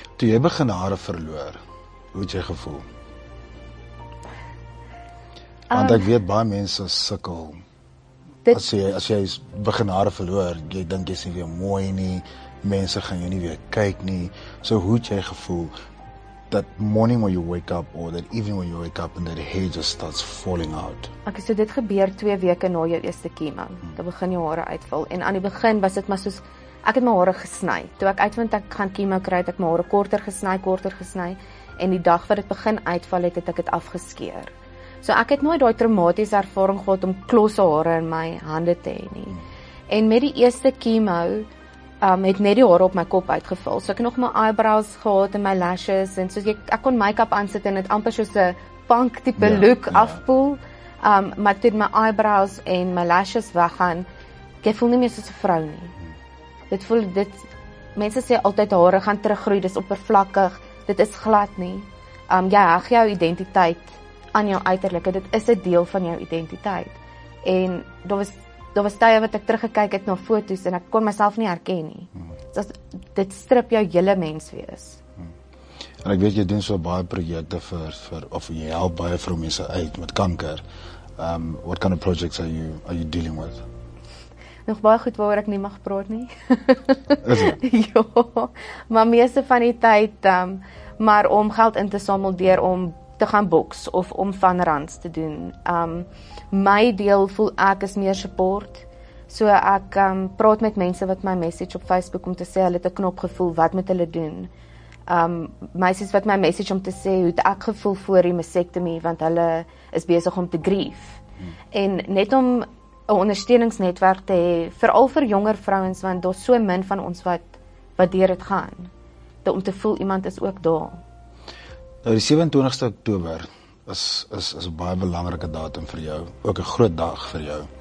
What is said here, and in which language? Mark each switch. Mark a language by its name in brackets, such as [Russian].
[Afrikaans] Toe jy begin hare verloor, hoe het jy gevoel? Want ek weet baie mense sukkel. As jy begin hare verloor, jy dink jy's nie weer mooi nie, mense gaan jou nie weer kyk nie. So hoe het jy gevoel [English] that morning when you wake up or that evening when you wake up and that hair just starts falling out. [Afrikaans] Ek sê dit gebeur 2 weke na jou eerste chemo. Dan begin jou hare uitval en aan die begin was dit maar soos ek het my hare gesny. Toe ek uitvind ek gaan chemo kry, het ek my hare korter gesny en die dag wat dit begin uitval het, het ek dit afgeskeer. So ek het nooit daai traumatiese ervaring gehad om klosse hare in my hande te hê nie. En met die eerste chemo het net die hare op my kop uitgeval. So ek het nog my eyebrows gehad en my lashes en so ek kon make-up aansit en het amper soos 'n punk tipe look afpoel. Maar toe my eyebrows en my lashes weggaan, ek voel nie meer soos 'n vrou nie. Dit voel dit mense sê altyd hare gaan teruggroei, dis oppervlakkig. Dit is glad nie. Jy heg jou identiteit aan jou uiterlike. Dit is 'n deel van jou identiteit. En daar was tye wat ek teruggekyk het na foto's en ek kon myself nie herken nie. Dit strip jou hele menswees. En ek weet jy doen so baie projekte vir of jy help baie vrou mense uit met kanker. [English] What kind of projects are you dealing with? [Afrikaans] Nog baie goed waaroor ek nie mag praat nie. Is dit? Ja. Maar meeste van die tyd maar om geld in te samel deur om te gaan boks of om van rands te doen. My deel voel ek is meer support. So ek praat met mense wat my message op Facebook om te sê hulle het 'n knop gevoel, wat moet hulle doen? Meisies wat my message om te sê hoe het ek gevoel voor die mastektomie want hulle is besig om te grieve. En net om 'n ondersteuningsnetwerk te hê veral vir jonger vrouens want daar's so min van ons wat deur dit gaan. Dat om te voel iemand is ook daar. Nou die 27ste Oktober is 'n baie belangrike datum vir jou, ook 'n groot dag vir jou.